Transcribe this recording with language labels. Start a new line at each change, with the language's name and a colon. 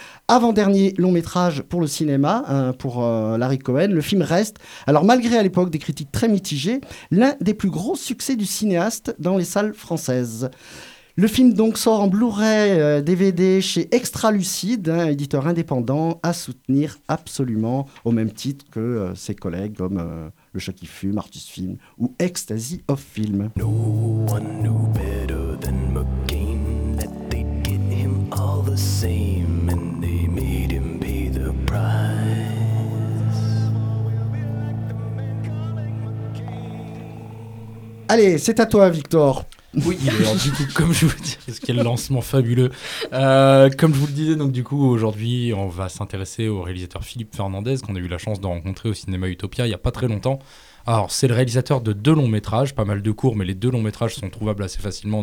French: Avant-dernier long métrage pour le cinéma, hein, pour Larry Cohen, le film reste, alors malgré à l'époque des critiques très mitigées, l'un des plus gros succès du cinéaste dans les salles françaises. Le film donc sort en Blu-ray, DVD chez Extra Lucide, hein, éditeur indépendant, à soutenir absolument au même titre que ses collègues comme Le Chat qui fume, Artus Film ou Ecstasy of Film.
English: No one knew better than McCain that they get him all the same and they made him pay the price.
French: Allez, c'est à toi, Victor. Oui, alors du coup, comme je vous disais, quel lancement fabuleux. Comme je vous le disais, donc du coup, aujourd'hui, on va s'intéresser au réalisateur Philippe Fernandez, qu'on a eu la chance de rencontrer au cinéma Utopia il n'y a pas très longtemps. Alors, c'est le réalisateur de deux longs métrages, pas mal de courts, mais les deux longs métrages sont trouvables assez facilement.